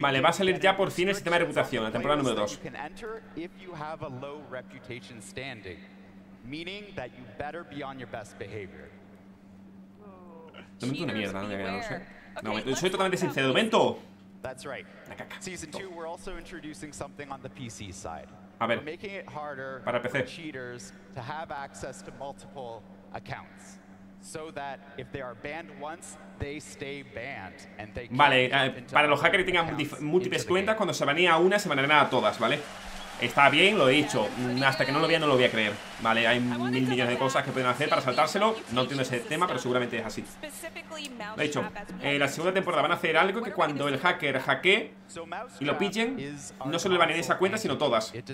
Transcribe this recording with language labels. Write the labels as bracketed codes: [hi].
[es] vale, va a salir ya por fin el sistema de reputación, la temporada número 2. [en] You can enter if you have a low reputation standing, meaning that you better be on your best behavior. [es] No me meto una mierda, no me queda, no sé. No, okay, soy totalmente sincero, de momento. [en] That's right. Season 2, we're also introducing something on the PC side. [es] A ver, [en] we're making it harder [es] para PC [en] for cheaters to have access to multiple accounts, so that if they are banned once, they stay banned and they can't. [es] Vale, para los hackers que tengan múltiples cuentas, cuando se banea una, se banean a todas, ¿vale? Está bien, lo he dicho. Hasta que no lo vea, no lo voy a creer. Vale, hay mil millones de cosas que pueden hacer para saltárselo. No entiendo ese tema, pero seguramente es así. Lo he dicho. En la segunda temporada van a hacer algo que cuando el hacker hackee y lo pillen, no solo le van a ir esa cuenta, sino todas.